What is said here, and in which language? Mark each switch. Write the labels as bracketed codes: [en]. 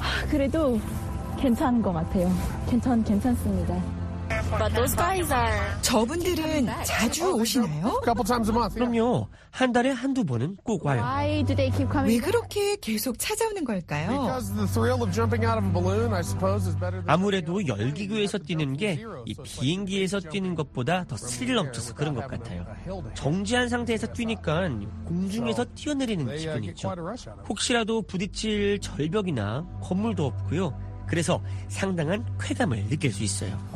[ko] 그래도 괜찮은 것 같아요. 괜찮습니다. [en] But those guys are... [ko] 저분들은 자주 오시나요? [en] Couple times a month. [ko] 그럼요. 한 달에 한두 번은 꼭 와요. [en] Why do they keep coming? [ko] 왜 그렇게 계속 찾아오는 걸까요? [en] Because the thrill of jumping out of a balloon, I suppose, is better. [ko] 아무래도 열기구에서 뛰는 게 이 비행기에서 뛰는 것보다 더 스릴 넘쳐서 그런 것 같아요. 정지한 상태에서 뛰니까 공중에서 뛰어내리는 기분이죠. 혹시라도 부딪힐 절벽이나 건물도 없고요. 그래서 상당한 쾌감을 느낄 수 있어요.